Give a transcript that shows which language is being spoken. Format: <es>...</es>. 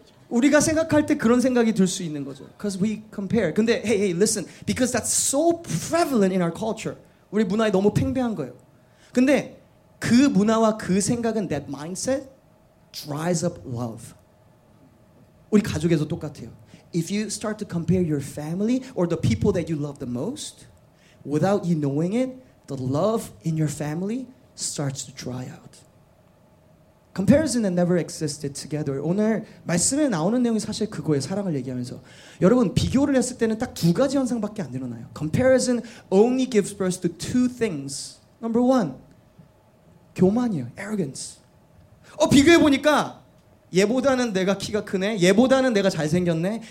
<ko>우리가 생각할 때 그런 생각이 들 수 있는 거죠.</ko> <en>Because we compare. 근데 hey, listen. Because that's so prevalent in our culture.</en> <ko>우리 문화에 너무 팽배한 거예요. 근데 그 문화와 그 생각은</ko> <en>that mindset dries up love.</en> <ko>우리 가족에서 똑같아요.</ko> <en>If you start to compare your family or the people that you love the most, without you knowing it, the love in your family starts to dry out. Comparison that never existed together.</en> <ko>오늘 말씀에 나오는 내용이 사실 그거예요. 사랑을 얘기하면서. 여러분, 비교를 했을 때는 딱 두 가지 현상밖에 안 일어나요.</ko> <en>Comparison only gives birth to two things. Number one, 교만이에요. Arrogance.</en> <ko>비교해보니까 얘보다는 내가 키가 크네. 얘보다는 내가 잘생겼네.</ko>